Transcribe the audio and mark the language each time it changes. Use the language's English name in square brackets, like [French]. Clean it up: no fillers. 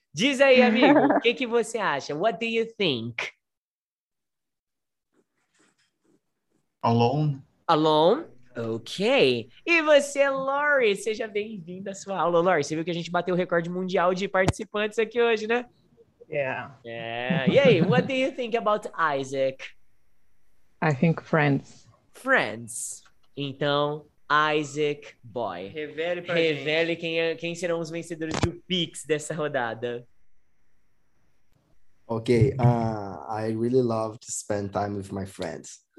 [Portuguese] Diz aí, amigo, o que que você acha? [English] What do you think? Alone. Alone? Ok. [Portuguese] E você, Lori? Seja bem-vinda à sua aula, Lori. Você viu que a gente bateu o recorde mundial de participantes aqui hoje, né? [English] Yeah. [Portuguese] E aí, [English] what do you think about Isaac? I think friends. [Portuguese] Friends. Então, Isaac Boy. Revele pra Revele quem, é, quem serão os vencedores do Pix dessa rodada. [English] Ok. I really love to spend time with my friends.